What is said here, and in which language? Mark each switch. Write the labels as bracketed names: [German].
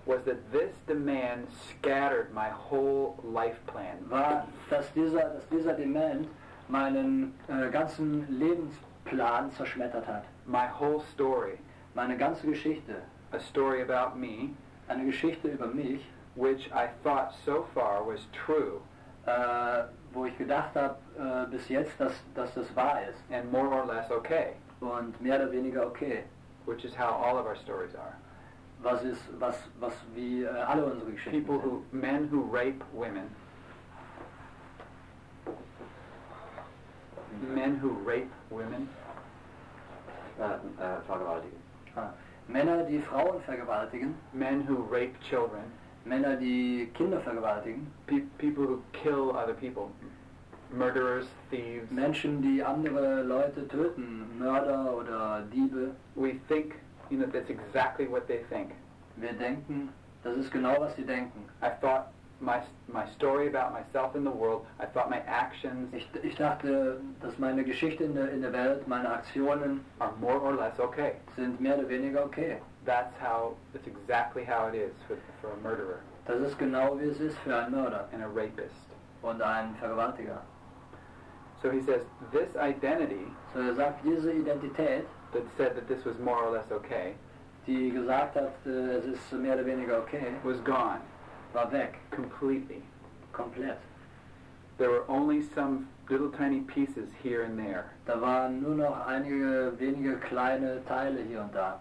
[English] was that this demand scattered my whole life plan. [German] War, dass dieser Demand meinen ganzen Lebensplan zerschmettert hat. [English] My whole story, [German] meine ganze Geschichte, [English] a story about me, [German] eine Geschichte über mich, [English] which I thought so far was true. [German] Wo ich gedacht habe bis jetzt, dass das wahr ist. [English] And more or less okay. [German] Und mehr oder weniger okay. [English] Which is how all of our stories are. [German] Was wie alle unsere Geschichten [English] people [German] sind. [English] Who, men who rape women. Men who rape women. [German] Vergewaltigen. Männer, die Frauen vergewaltigen. [English] Men who rape children. [German] Männer, die Kinder vergewaltigen. [English] People who kill other people. Murderers, thieves. [German] Menschen, die andere Leute töten. Mörder oder Diebe. [English] We think, you know, that's exactly what they think. [German] Wir denken, das ist genau, was sie denken. [English] I thought my story about myself in the world, I thought my actions. [German] Ich dachte, dass meine Geschichte in der Welt, meine Aktionen. [English] Are more or less okay. [German] Sind mehr oder weniger okay. [English] That's exactly how it is for a murderer. [German] Das ist genau, wie es ist für einen Mörder. [English] And a rapist. [German] Und ein Vergewaltiger. [English] So he says, this identity. [German] So er sagt, diese Identität. [English] That said that this was more or less okay. [German] Die gesagt hat, es ist mehr oder weniger okay. [English] Was gone. [German] War weg. [English] Completely. [German] Komplett. [English] There were only some little tiny pieces here and there. [German] Da waren nur noch einige wenige kleine Teile hier und da.